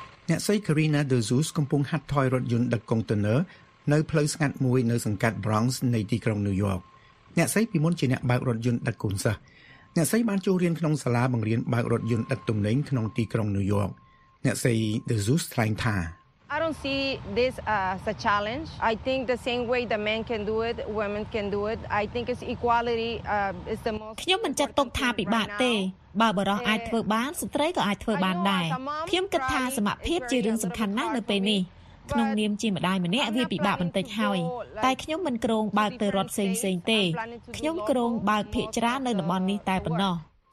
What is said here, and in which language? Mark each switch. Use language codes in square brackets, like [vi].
[km] អ្នកស្រី Karina Dezus កំពុងហាត់ថយរថយន្តដឹកកុងតឺន័រនៅផ្លូវស្ងាត់មួយនៅសង្កាត់ Bronx នៃទីក្រុងញូវយ៉កអ្នកស្រីពីមុនជាអ្នកបើករថយន្តដឹកកូនសិស្សអ្នកស្រីបានចូលរៀនក្នុងសាលាបង្រៀនបើករថយន្តដឹកទំនិញក្នុងទីក្រុងញូវយ៉កអ្នកស្រី Dezus ថ្លែងថា [en] I don't don't see this as a challenge. I think the same way the men can do it, women can do it. I think it's equality is the most. [km] ខ្ញុំមិនចាត់ទុកថាពិបាកទេ។បើបុរសអាចធ្វើបានស្ត្រីក៏អាចធ្វើបានដែរ។ខ្ញុំគិតថាសមភាពជារឿងសំខាន់ណាស់នៅពេលនេះ។ក្នុងនាមជាម្ដាយម្នាក់វាពិបាកបន្តិចហើយ។តែខ្ញុំមិនក្រងបើកទៅរត់ផ្សេងផ្សេងទេ។ខ្ញុំក្រងបើកភាកច្រើននៅតំបន់នេះតែប៉ុណ្ណោះ។